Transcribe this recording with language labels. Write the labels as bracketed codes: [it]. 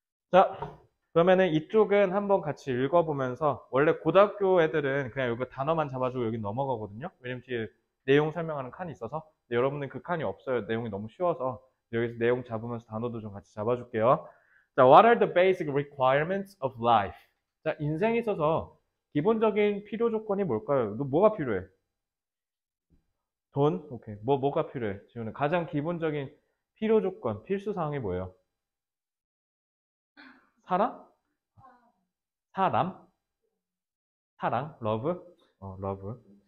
[ko] 자, 그러면은 이쪽은 한번 같이 읽어보면서 원래 고등학교 애들은 그냥 여기 단어만 잡아주고 여기 넘어가거든요. 왜냐면 뒤에 내용 설명하는 칸이 있어서. 근데 여러분은 그 칸이 없어요. 내용이 너무 쉬워서 여기서 내용 잡으면서 단어도 좀 같이 잡아줄게요. [en] 자, what are the basic requirements of life? [ko] 자, 인생에 있어서 기본적인 필요 조건이 뭘까요? 너 뭐가 필요해? 돈? 오케이. 뭐가 필요해? 지금은 가장 기본적인 필요 조건, 필수 사항이 뭐예요? 사랑? 사람? 사랑? 러브? 러브.